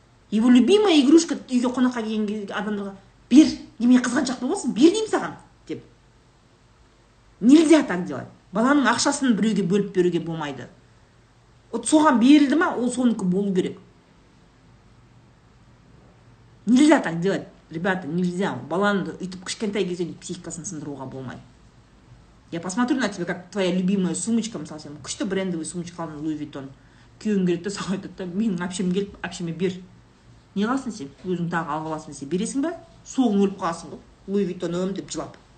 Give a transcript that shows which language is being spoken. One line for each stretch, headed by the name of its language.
Russian: Его любимая игрушка
Kazakh: үйге қонаққа келген адамдарға бер, неме қызғаншақ болмасын, бер деймін саған деп.
Russian: Нельзя так делать.
Kazakh: Баланың ақшасын біреуге бөліп беруге болмайды. Вот соған берілді ма, ол соныкі болу керек.
Russian: Нельзя так делать, ребята, нельзя.
Kazakh: Баланды үйтіп кішкентай кезден психикасын сындыруға болмайды.
Russian: Я посмотрю на тебя, как твоя любимая сумочка,
Kazakh: мысалы, сен күшті брендовый сумочка алдың, Louis Vuitton. Күйеуің керек те, саған айтады да, менің әпшем келіп, әпшеме бер. Не қыласың сен? Өзің тағы алғыласың десе бересің ба? Соғың өліп қаласың ғой, Louis Vuitton өм деп жылап.